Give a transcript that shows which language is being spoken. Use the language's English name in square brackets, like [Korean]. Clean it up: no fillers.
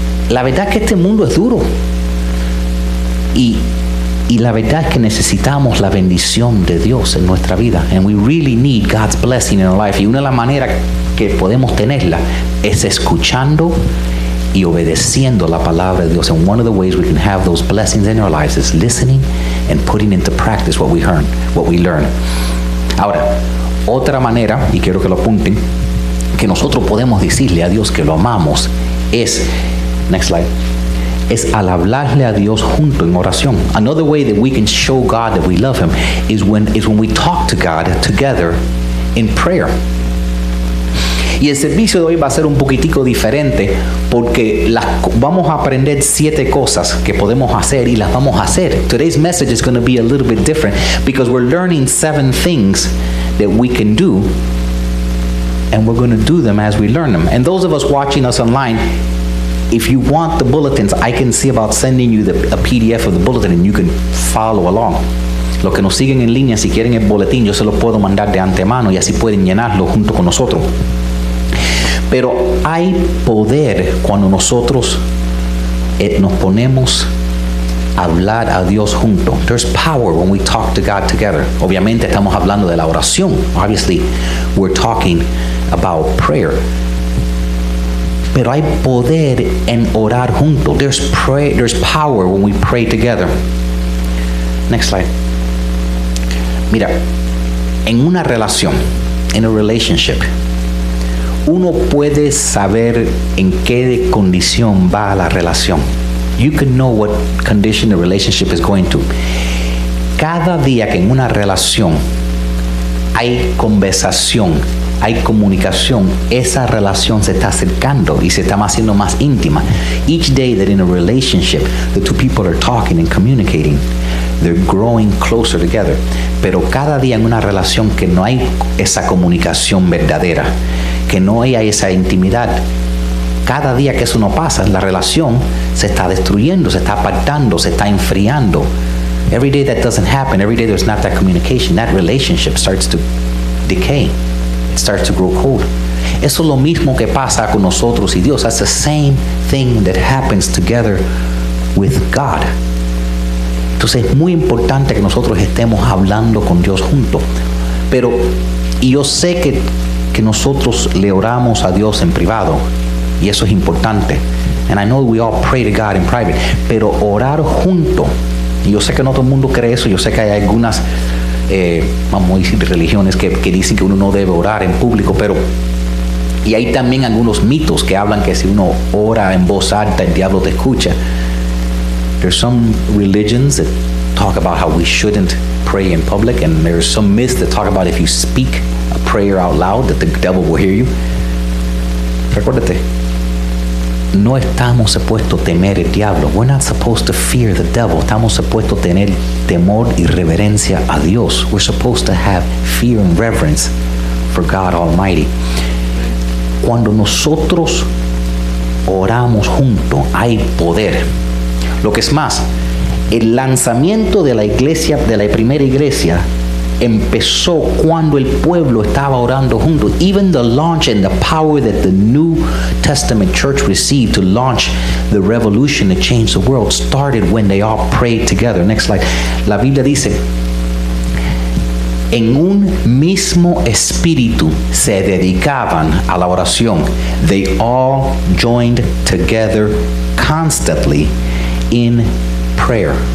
[Spanish] La verdad es que este mundo es duro. Y la verdad es que necesitamos la bendición de Dios en nuestra vida. [English] And we really need God's blessing in our life. [Spanish] Y una de las maneras que podemos tenerla es escuchando y obedeciendo la palabra de Dios. [English] And one of the ways we can have those blessings in our lives is listening and putting into practice what we learn. [Spanish] Ahora, otra manera, y quiero que lo apunten, que nosotros podemos decirle a Dios que lo amamos es, [English] next slide, [Spanish] es al hablarle a Dios junto en oración. [English] Another way that we can show God that we love Him is when we talk to God together in prayer. [Spanish] Y el servicio de hoy va a ser un poquitico diferente porque vamos a aprender 7 cosas que podemos hacer y las vamos a hacer. [English] Today's message is going to be a little bit different because we're learning 7 things that we can do, and we're going to do them as we learn them. And those of us watching us online, if you want the bulletins, I can see about sending you a PDF of the bulletin and you can follow along. [Spanish] Los que nos siguen en línea, si quieren el boletín, yo se lo puedo mandar de antemano y así pueden llenarlo junto con nosotros. Pero hay poder cuando nosotros nos ponemos a hablar a Dios junto. [English] There's power when we talk to God together. [Spanish] Obviamente estamos hablando de la oración. [English] Obviously, we're talking about prayer. [Spanish] Pero hay poder en orar junto. [English] There's power when we pray together. Next slide. [Spanish] Mira, en una relación, [English] in a relationship, [Spanish] uno puede saber en qué condición va la relación. [English] You can know what condition the relationship is going to. [Spanish] Cada día que en una relación hay conversación, hay comunicación, esa relación se está acercando y se está haciendo más íntima. [English] Each day that in a relationship, the two people are talking and communicating, they're growing closer together. [Spanish] Pero cada día en una relación que no hay esa comunicación verdadera, que no haya esa intimidad, cada día que eso no pasa, la relación se está destruyendo, se está apartando, se está enfriando. [English] Every day that doesn't happen, every day there's not that communication, that relationship starts to decay. It starts to grow cold. [Spanish] Eso es lo mismo que pasa con nosotros y Dios. [English] That's the same thing that happens together with God. [Spanish] Entonces es muy importante que nosotros estemos hablando con Dios juntos. Pero yo sé que nosotros le oramos a Dios en privado. Y eso es importante. [English] And I know we all pray to God in private. [Spanish] Pero orar junto. Y yo sé que no todo el mundo cree eso. Yo sé que hay algunas, vamos a decir, religiones que dicen que uno no debe orar en público. Pero, y hay también algunos mitos que hablan que si uno ora en voz alta, el diablo te escucha. [English] There's some religions that talk about how we shouldn't pray in public. And there's some myths that talk about if you speak a prayer out loud, that the devil will hear you. [Spanish] Recuérdate. No estamos supuestos a temer el diablo. [English] We're not supposed to fear the devil. [Spanish] Estamos supuestos a tener temor y reverencia a Dios. [English] We're supposed to have fear and reverence for God Almighty. [Spanish] Cuando nosotros oramos juntos, hay poder. Lo que es más, el lanzamiento de la iglesia, de la primera iglesia, empezó cuando el pueblo estaba orando junto. [English] Even the launch and the power that the New Testament church received to launch the revolution to change the world started when they all prayed together. Next slide. [Spanish] La Biblia dice, en un mismo espíritu se dedicaban a la oración. [English] They all joined together constantly in prayer.